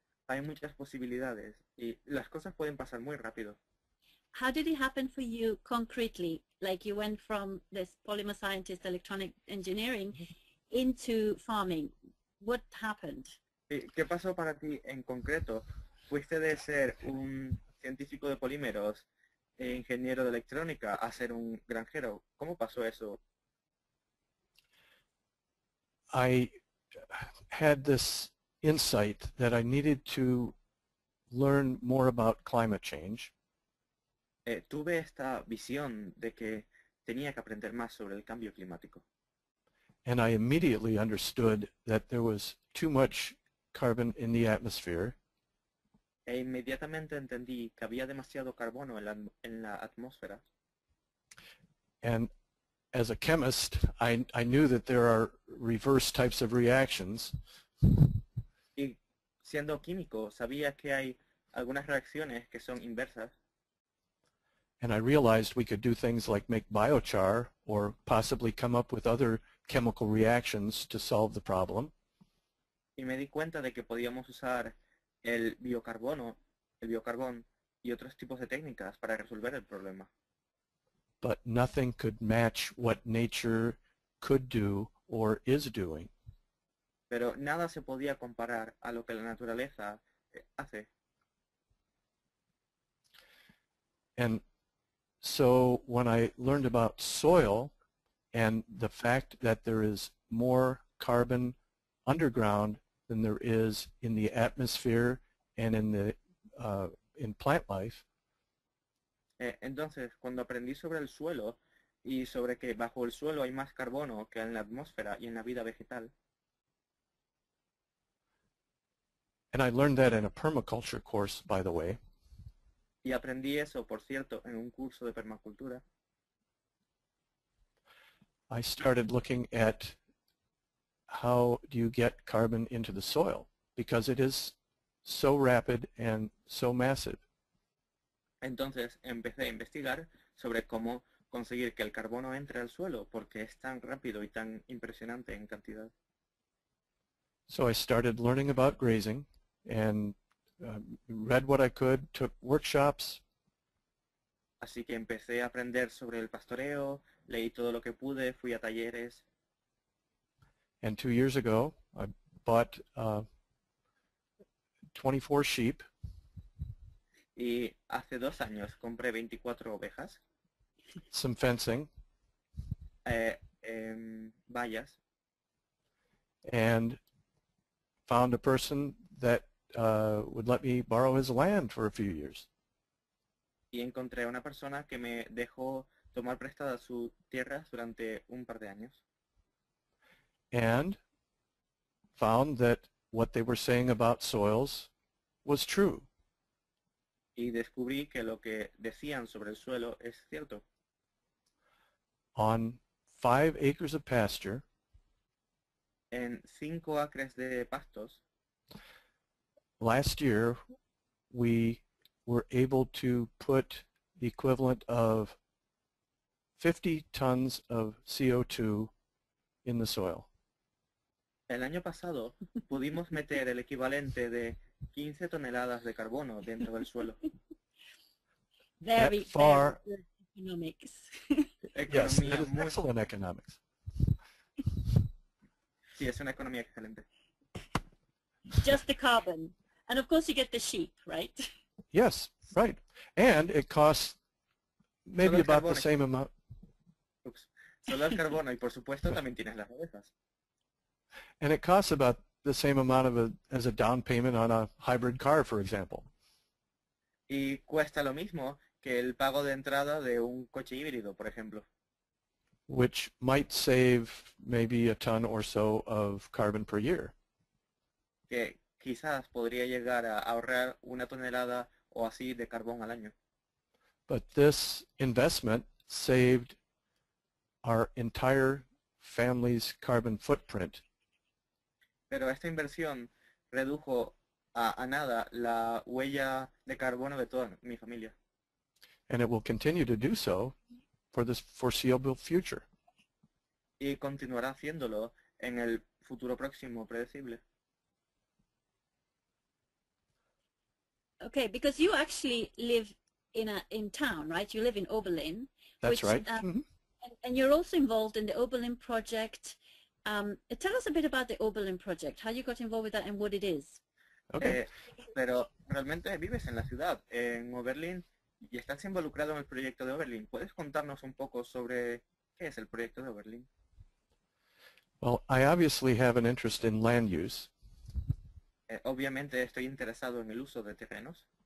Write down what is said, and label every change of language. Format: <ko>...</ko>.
<es>Hay muchas posibilidades y las cosas pueden pasar muy rápido.</es> <en>How did it happen for you concretely? Like you went from this polymer scientist, electronic engineering, into farming. What happened?</en> <es>¿Qué pasó para ti en concreto? Fuiste de ser un científico de polímeros, ingeniero de electrónica, a ser un granjero. ¿Cómo pasó eso?</es> <en>I had this insight that I needed to learn more about climate change.</en> <es>Tuve esta visión de que tenía que aprender más sobre el cambio climático.</es> <en>And I immediately understood that there was too much carbon in the atmosphere.</en> <es>E inmediatamente entendí que había demasiado carbono en la atmósfera.</es> <en>And as a chemist, I knew that there are reverse types of reactions.</en> <es>Y siendo químico, sabía que hay algunas reacciones que son inversas.</es> <en>And I realized we could do things like make biochar or possibly come up with other chemical reactions to solve the problem.</en> <es>Y me di cuenta de que podíamos usar el biocarbón y otros tipos de técnicas para resolver el problema.</es> <en>but nothing could match what nature could do or is doing.</en> <es>Pero nada se podía comparar a lo que la naturaleza hace.</es> <en>And so when I learned about soil and the fact that there is more carbon underground than there is in the atmosphere and in the in plant life.</en> <es>Entonces, cuando aprendí sobre el suelo y sobre que bajo el suelo hay más carbono que en la atmósfera y en la vida vegetal.</es> <en>And I learned that in a permaculture course, by the way.</en> <es>Y aprendí eso, por cierto, en un curso de permacultura.</es> <en>I started looking at how do you get carbon into the soil, because it is so rapid and so massive.</en> <es>Entonces empecé a investigar sobre cómo conseguir que el carbono entre al suelo, porque es tan rápido y tan impresionante en cantidad.</es> <en>So I started learning about grazing and read what I could, took workshops.</en> <es>Así que empecé a aprender sobre el pastoreo, leí todo lo que pude, fui a talleres.</es> <en>And 2 years ago, I bought 24 sheep.</en> <es>Y hace 2 años compré 24 ovejas.</es> <en>Some fencing.</en> <es>Vallas.</es> <en>And found a person that would let me borrow his land for a few years.</en> <es>Y encontré una persona que me dejó tomar prestada su tierra durante un par de años.</es> <en>And found that what they were saying about soils was true.</en> <es>Y descubrí que lo que decían sobre el suelo es cierto.</es> <en>On 5 acres of pasture,</en> <es>en 5 acres de pastos,</es> <en>last year we were able to put the equivalent of 50 tons of CO2 in the soil.</en> <es>El año pasado pudimos meter el equivalente de 15 toneladas de carbono dentro del suelo.</es> <en>Very good economics. Yes, that is excellent economics.</en> <es>Sí, es una economía excelente.</es> <en>Just the carbon. And of course you get the sheep, right? Yes, right. And it costs maybe about the same amount. Oops.</en> <es>Solo el carbono y por supuesto también tienes las ovejas.</es> <en>And it costs about the same amount of as a down payment on a hybrid car, for example.</en> <es>Y cuesta lo mismo que el pago de entrada de un coche híbrido, por ejemplo.</es> <en>Which might save maybe a ton or so of carbon per year.</en> <es>Que quizás podría llegar a ahorrar una tonelada o así de carbón al año.</es> <en>But this investment saved our entire family's carbon footprint.</en> <es>Pero esta inversión redujo a nada la huella de carbono de toda mi familia.</es> <en>And it will continue to do so for this foreseeable future.</en> <es>Y continuará haciéndolo en el futuro próximo predecible.</es> <en>Okay, because you actually live in town, right? You live in Oberlin. That's right. And you're also involved in the Oberlin project. Tell us a bit about the Oberlin project, how you got involved with that and what it is. Okay.</en> <es>Pero realmente vives en la ciudad, en Oberlin, y estás involucrado en el proyecto de Oberlin. ¿Puedes contarnos un poco sobre qué es el proyecto de Oberlin?</es> <en>Well, I obviously have an interest in land use.</en> <es>Obviamente estoy interesado en el uso de terrenos.</es>